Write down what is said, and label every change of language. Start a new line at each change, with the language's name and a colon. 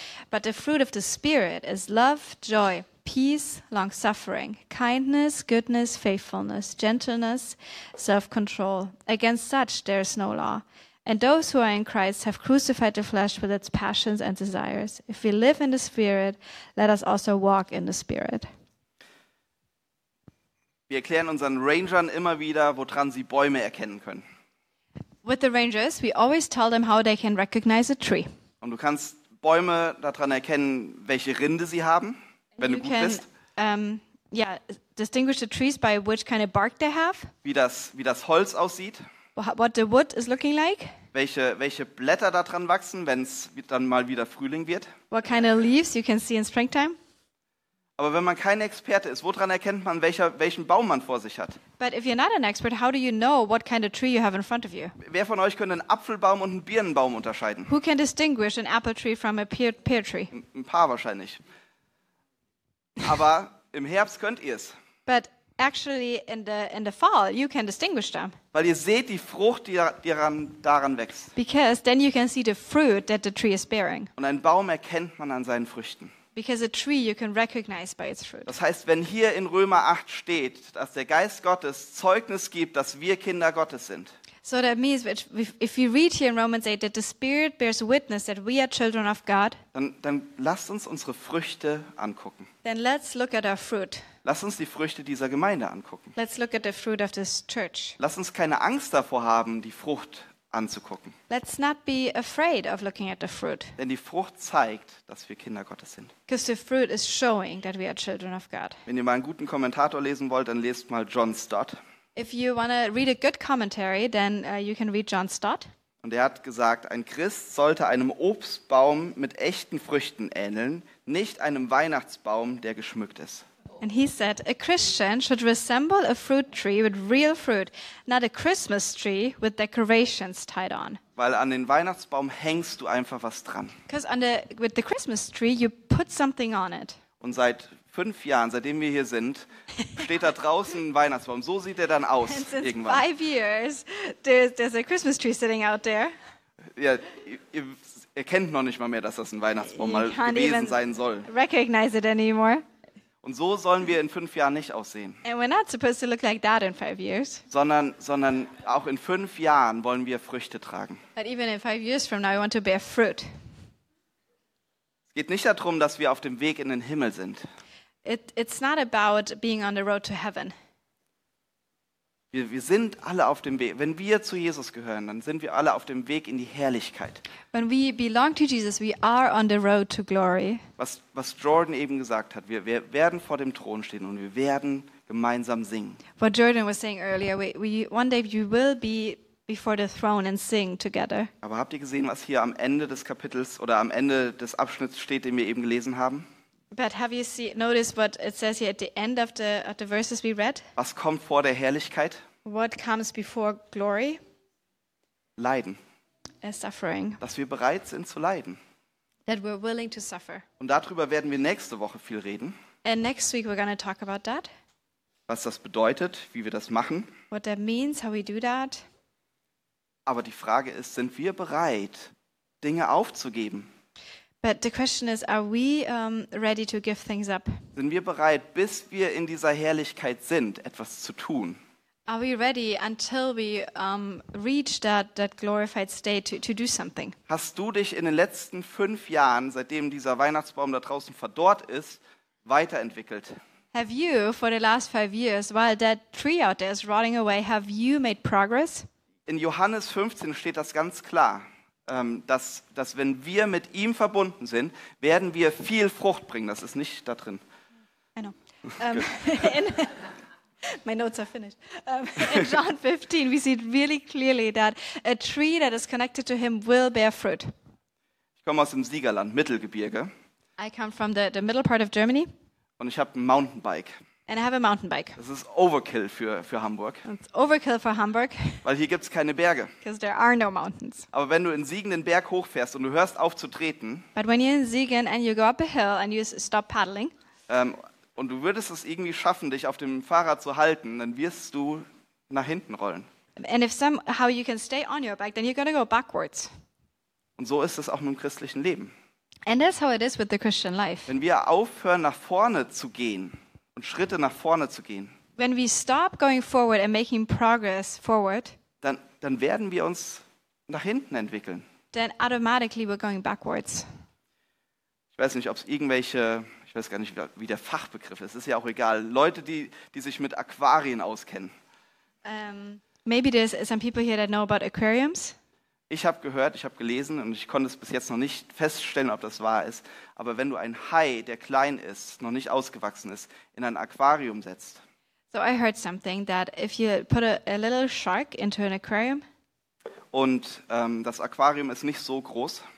English: But the fruit of the Spirit is love, joy, peace, long-suffering, kindness, goodness, faithfulness, gentleness, self-control. Against such there is no law. And those who are in Christ have crucified the flesh with its passions and desires. If we live in the Spirit, let us also walk in the Spirit.
German: Wir erklären unseren Rangern immer wieder, woran sie Bäume erkennen können.
English: With the Rangers, we always tell them how they can recognize a tree.
German: Und du kannst Bäume daran erkennen, welche Rinde sie haben. Wenn
English: you
German: du gut
English: can,
German: bist.
English: Yeah, distinguish the trees by which kind of bark they have.
German: Wie das Holz aussieht.
English: What the wood is looking like.
German: Welche Blätter da dran wachsen, wenn es dann mal wieder Frühling wird.
English: What kind of leaves you can see in springtime.
German: Aber wenn man kein Experte ist, woran erkennt man, welchen Baum man vor sich hat?
English: But if you're not an expert, how do you know what kind of tree you have in front of you?
German: Wer von euch könnte einen Apfelbaum und einen Birnenbaum unterscheiden?
English: Who can distinguish an apple tree from a pear tree?
German: Ein paar wahrscheinlich. Aber im Herbst könnt ihr es.
English: But actually in the fall you can distinguish them.
German: Weil ihr seht die Frucht, die daran wächst.
English: Because then you can see the fruit that the tree is bearing.
German: Und einen Baum erkennt man an seinen Früchten.
English: Because a tree you can recognize by its fruit.
German: Das heißt, wenn hier in Römer 8 steht, dass der Geist Gottes Zeugnis gibt, dass wir Kinder Gottes sind.
English: So that means if you read here in Romans 8 that the Spirit bears witness that we are children of God.
German: Dann lasst uns unsere Früchte angucken.
English: Then let's look at our fruit.
German: Lass uns die Früchte dieser Gemeinde angucken.
English: Let's look at the fruit of this church.
German: Lass uns keine Angst davor haben, die Frucht anzugucken.
English: Let's not be afraid of looking at the fruit.
German: Denn die Frucht zeigt, dass wir Kinder Gottes sind.
English: Because the fruit is showing that we are children of God.
German: Wenn ihr mal einen guten Kommentator lesen wollt, dann lest mal John Stott.
English: If you want to read a good commentary, then you can read John Stott.
German: Und er hat gesagt, ein Christ sollte einem Obstbaum mit echten Früchten ähneln, nicht einem Weihnachtsbaum, der geschmückt ist.
English: And he said, a Christian should resemble a fruit tree with real fruit, not a Christmas tree with decorations tied on.
German: Weil an den Weihnachtsbaum hängst du einfach was dran.
English: Because with the Christmas tree, you put something on it.
German: Und seit 5 Jahren, seitdem wir hier sind, steht da draußen ein Weihnachtsbaum. So sieht er dann aus irgendwann.
English: And since 5 years, there's a Christmas tree sitting out there.
German: Ja, ihr kennt noch nicht mal mehr, dass das ein Weihnachtsbaum mal gewesen sein soll.
English: You can't even recognize it anymore.
German: Und so sollen wir in 5 Jahren nicht aussehen.
English: And we're not supposed to look like that in 5 years.
German: Sondern auch in 5 Jahren wollen wir Früchte tragen.
English: But even in 5 years from now, we want to bear fruit.
German: Es geht nicht darum, dass wir auf dem Weg in den Himmel sind.
English: It's not about being on the road to heaven.
German: Wir sind alle auf dem Weg. Wenn wir zu Jesus gehören, dann sind wir alle auf dem Weg in die Herrlichkeit.
English: When we belong to Jesus, we are on the road to glory.
German: Was Jordan eben gesagt hat, wir werden vor dem Thron stehen und wir werden gemeinsam singen.
English: What Jordan was saying earlier, we one day you will be before the throne and sing together.
German: Aber habt ihr gesehen, was hier am Ende des Kapitels oder am Ende des Abschnitts steht, den wir eben gelesen haben?
English: But have you noticed what it says here at the end of the verses we read?
German: Was kommt vor der Herrlichkeit?
English: What comes before glory?
German: Leiden.
English: A suffering.
German: Dass wir bereit sind zu leiden.
English: That we're willing to suffer.
German: Und darüber werden wir nächste Woche viel reden.
English: And next week we're going to talk about that.
German: Was das bedeutet, wie wir das machen.
English: What that means, how we do that.
German: Aber die Frage ist, sind wir bereit, Dinge aufzugeben?
English: But the question is, are we ready to give things up?
German: Sind wir bereit, bis wir in dieser Herrlichkeit sind, etwas zu tun?
English: Are we ready until we reach that glorified state to do something?
German: Hast du dich in den letzten 5 Jahren, seitdem dieser Weihnachtsbaum da draußen verdorrt ist, weiterentwickelt?
English: Have you, for the last 5 years, while that tree out there is rotting away, have you made progress?
German: In Johannes 15 steht das ganz klar. Dass wenn wir mit ihm verbunden sind, werden wir viel Frucht bringen. Das ist nicht da drin.
English: I know. my notes are finished. In John 15, we see it really clearly that a tree that is connected to him will bear fruit.
German: Ich komme aus dem Siegerland, Mittelgebirge.
English: I come from the middle part of Germany.
German: Und ich habe ein Mountainbike.
English: And I have a mountainbike.
German: Das ist Overkill für Hamburg.
English: It's overkill for Hamburg.
German: Weil hier gibt's keine Berge.
English: Because there are no mountains.
German: Aber wenn du in Siegen den Berg hochfährst und du hörst auf zu treten.
English: But when you're in Siegen and you go up a hill and you stop paddling.
German: Und du würdest es irgendwie schaffen, dich auf dem Fahrrad zu halten, dann wirst du nach hinten rollen.
English: And if somehow you can stay on your bike, then you're gonna go backwards.
German: Und so ist es auch mit dem christlichen Leben.
English: And that's how it is with the Christian life.
German: Wenn wir aufhören, nach vorne zu gehen. Und Schritte nach vorne zu gehen.
English: When we stop going forward and making progress forward,
German: dann werden wir uns nach hinten entwickeln.
English: Then automatically we're going backwards.
German: Ich weiß nicht, ob es irgendwelche, ich weiß gar nicht, wie der Fachbegriff ist. Es ist ja auch egal. Leute, die sich mit Aquarien auskennen.
English: Maybe there's some people here that know about aquariums.
German: Ich habe gehört, ich habe gelesen und ich konnte es bis jetzt noch nicht feststellen, ob das wahr ist. Aber wenn du einen Hai, der klein ist, noch nicht ausgewachsen ist, in ein Aquarium setzt.
English: So I heard something that if you put a little shark into an aquarium.
German: Und das Aquarium ist nicht so groß.